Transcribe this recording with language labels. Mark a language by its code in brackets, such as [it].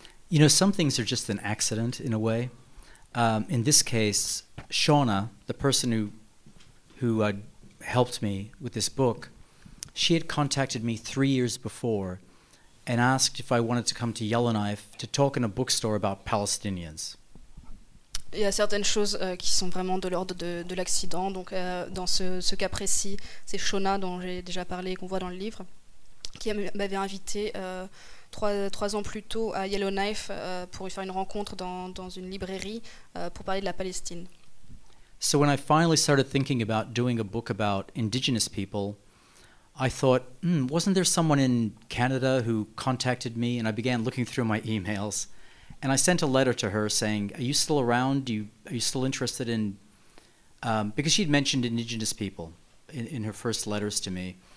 [en] You know, some things are just an accident in a way. In this case, Shauna, the person who helped me with this book, she had contacted me 3 years before and asked if I wanted to come to Yellowknife to talk in a bookstore about Palestinians. [fr] Il y a certaines choses qui sont vraiment de l'ordre de l'accident. Donc, dans ce cas précis, c'est Shauna dont j'ai déjà parlé et qu'on voit dans le livre, qui m'avait invité. Trois ans plus tôt à Yellowknife pour y faire une rencontre dans une librairie pour parler de la Palestine. [en] So when I finally started thinking about doing a book about indigenous people, I thought, wasn't there someone in Canada who contacted me? And I began looking through my emails, and I sent a letter to her saying, "Are you still around? Are you still interested in?" Because she'd mentioned indigenous people in her first letters to me.